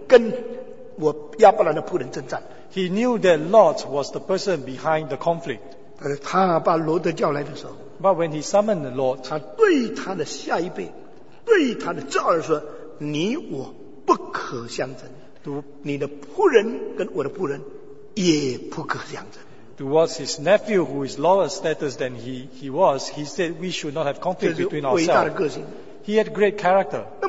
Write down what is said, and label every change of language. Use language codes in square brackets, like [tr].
[zh] 他清楚知道这是罗德用他丧失的权柄唆使他的仆人跟我亚伯兰的仆人征战。 [en] He knew that Lot was the person behind the conflict. [zh] 但是他把罗德叫来的时候, [en] but when he summoned the Lord, [zh] 他对他的下一辈, 对他的侄儿说, 你我不可相争, 你的仆人跟我的仆人也不可相争。 [en] Towards his nephew, who is lower status than he was, he said, we should not have conflict between ourselves. He had great character.